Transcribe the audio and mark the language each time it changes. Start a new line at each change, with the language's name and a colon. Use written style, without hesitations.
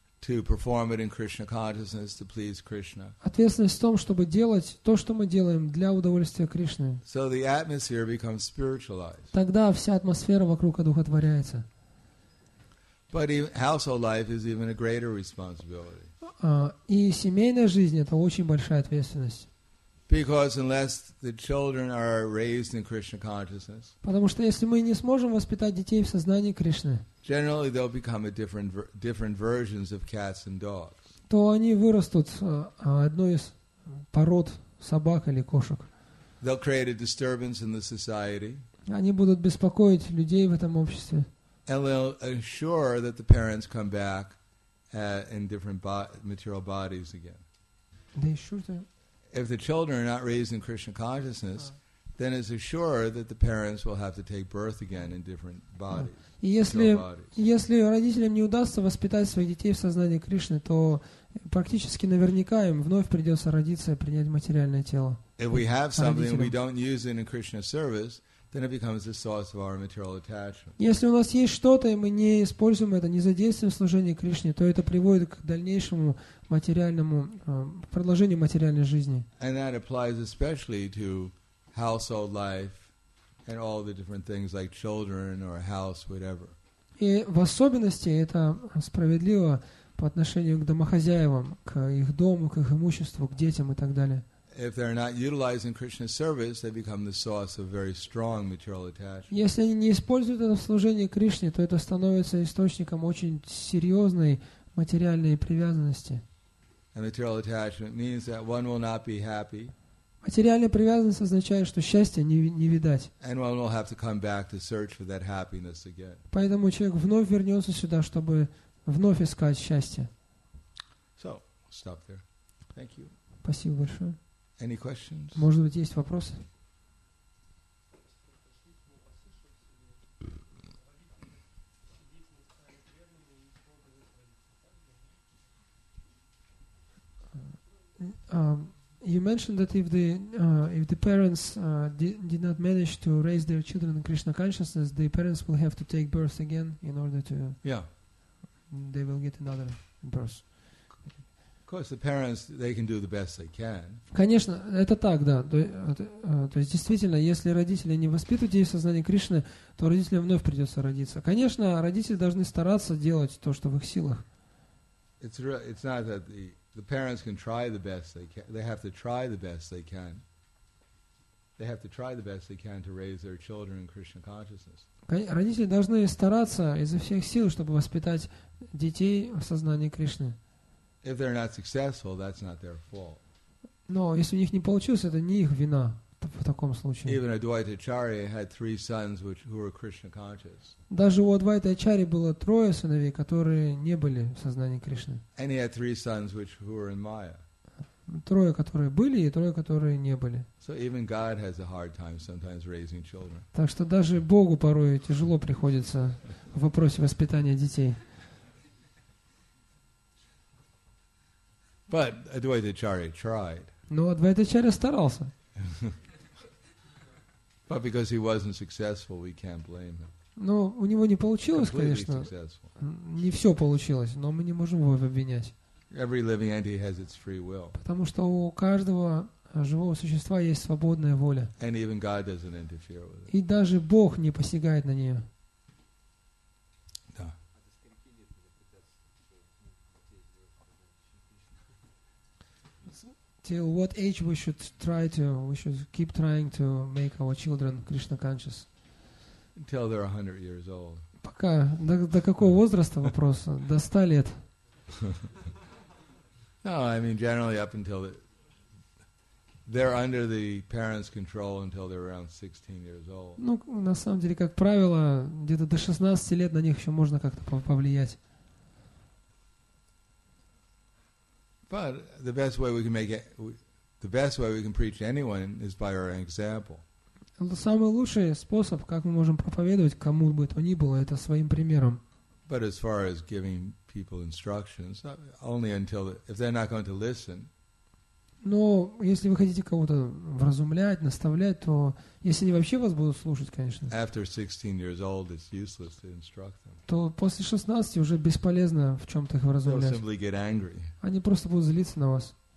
English: To perform it in Krishna consciousness to please Krishna.
Russian: Ответственность в том, чтобы делать то, что мы делаем для удовольствия Кришны.
English: So the atmosphere becomes spiritualized.
Russian: Тогда вся атмосфера вокруг одухотворяется.
English: But household life is even a greater responsibility.
Russian: И семейная жизнь это очень большая ответственность.
English: Because unless the children are raised in Krishna consciousness.
Russian: Потому что если мы не сможем воспитать детей в сознании Кришны.
English: Generally, they'll become different versions of cats and dogs.
Russian: То они вырастут одной из пород собак или кошек.
English: They'll create a disturbance in the society.
Russian: Они будут беспокоить людей в этом обществе.
English: And they'll ensure that the parents come back in different material bodies again. They should. If the children are not raised in Krishna consciousness, then it's assured that the parents will have to take birth again in different bodies.
Russian: Если родителям не удастся воспитать своих детей в сознании Кришны, то практически наверняка им вновь придется родиться и принять материальное тело.
English: If we have something we don't use it in Krishna service. Then it becomes the source of our material attachment.
Russian: Если у нас есть что-то и мы не используем это, не задействуем служение Кришне, то это приводит к дальнейшему материальному продолжению материальной жизни.
English: And that applies especially to household life and all the different things like children or house, whatever.
Russian: И в особенности это справедливо по отношению к домохозяевам, к их дому, к их имуществу, к детям и так далее.
English: If they're not utilizing Krishna's service, they become the source of very strong material attachment.
Russian: Если они не используют это в служении Кришне, то это становится источником очень серьезной материальной привязанности.
English: And material attachment means that one will not be happy.
Russian: Материальная привязанность означает, что счастья не видать.
English: And one will have to come back to search for that happiness again.
Russian: Поэтому человек вновь вернется сюда, чтобы вновь искать счастье.
English: So, stop there. Thank you.
Russian: Спасибо большое.
English: Any questions?
Russian: Может быть, есть вопросы?
English: You mentioned that if the parents did not manage to raise their children in Krishna consciousness, the parents will have to take birth again in order to they will get another birth. Of course, the parents they can do the best they can.
Russian: Конечно, это так, да. То есть действительно, если родители не воспитывают детей в сознании Кришны, то родителям вновь придется родиться. Конечно, родители должны стараться делать то, что в их силах.
English: It's not that the parents can try the best they can. They have to try the best they can. They have to try the best they can to raise their children in Krishna consciousness.
Russian: Родители должны стараться изо всех сил, чтобы воспитать детей в сознании Кришны.
English: If they're not successful, that's not their fault.
Russian: Но если у них не получилось, это не их вина в таком случае.
English: Even Advaita Acharya had three sons who were Krishna conscious.
Russian: Даже у Адвайты Ачарьи было трое сыновей, которые не были в сознании Кришны.
English: And he had three sons who were in Maya.
Russian: трое, которые были, и трое, которые не были.
English: So even God has a hard time sometimes raising children.
Russian: Так что даже Богу порой тяжело приходится в вопросе воспитания детей.
English: But Advaita Charya tried.
Russian: Но Адвайта Ачарья старался.
English: But because he wasn't successful, we can't blame him.
Russian: Но у него не получилось, конечно. Не все получилось, но мы не можем его обвинять.
English: Every living entity has its free will.
Russian: Потому что у каждого живого существа есть свободная воля.
English: And even God doesn't interfere with it.
Russian: И даже Бог не посягает на нее. Да.
English: Till what age we should keep trying to make our children Krishna conscious? Until they're 100 years old.
Russian: Пока до какого возраста вопрос? До 100 лет.
English: No, I mean generally up until they're under the parents' control until they're around 16 years old.
Russian: Ну, на самом деле, как правило, где-то до 16 лет на них еще можно как-то повлиять.
English: But the best way we can preach anyone is by our example.
Russian: Самый лучший способ, как мы можем проповедовать кому бы то ни было, это своим примером.
English: But as far as giving people instructions, only until if they're not going to listen.
Russian: Но если вы хотите кого-то вразумлять, наставлять, то если они вообще вас будут слушать, конечно.
English: After 16 years old, it's useless to instruct them.
Russian: То после 16 уже бесполезно в чем-то их вразумлять.
English: They'll simply get angry.
Russian: Они просто будут злиться на вас.